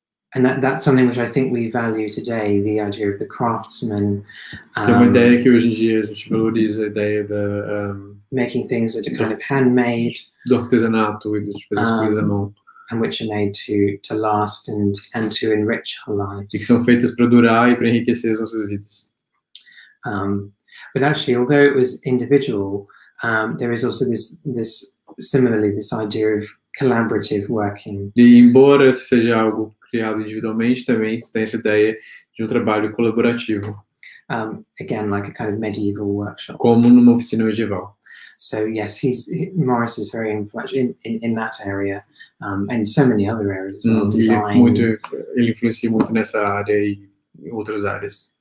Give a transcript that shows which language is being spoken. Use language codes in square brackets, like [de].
[en] And that's something which I think we value today, the idea of the craftsman. [pt] Que é uma ideia que hoje em dia a gente valoriza, a ideia da [en] making things that are kind of handmade. [pt] Do artesanato e das coisas à mão. [en] And which are made to last and to enrich our lives. [pt] E que são feitas para durar e para enriquecer as nossas vidas. [en] But actually, although it was individual, there is also this similarly this idea of collaborative working. [pt] E embora seja algo criado individualmente, também tem essa ideia de trabalho colaborativo. [en] Again, like a kind of medieval workshop. [pt] Como numa oficina medieval. [en] So yes, Morris is very influential in that area, and so many other areas as well. Design. [pt] Ele influencia muito nessa área e outras áreas.